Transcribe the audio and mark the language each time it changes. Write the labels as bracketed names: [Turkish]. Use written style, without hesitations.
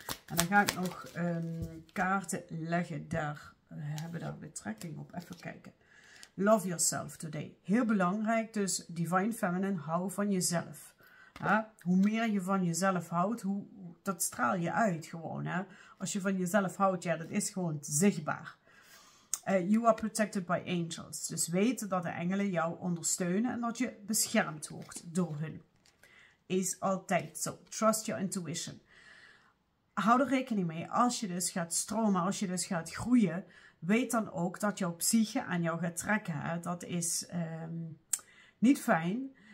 [Dutch] En dan ga ik nog kaarten leggen. Daar hebben we daar betrekking op. Even kijken. [English] Love yourself today. [Dutch] Heel belangrijk dus. Divine Feminine. Hou van jezelf. Ja, hoe meer je van jezelf houdt. Dat straal je uit gewoon. Hè? Als je van jezelf houdt. Ja, dat is gewoon zichtbaar. [English] You are protected by angels. [Dutch] Dus weet dat de engelen jou ondersteunen. En dat je beschermd wordt door hun. Is altijd zo. [English] Trust your intuition. [Dutch] Hou er rekening mee. Als je dus gaat stromen. Als je dus gaat groeien. Weet dan ook dat jouw psyche aan jou gaat trekken. Hè? Dat is niet fijn.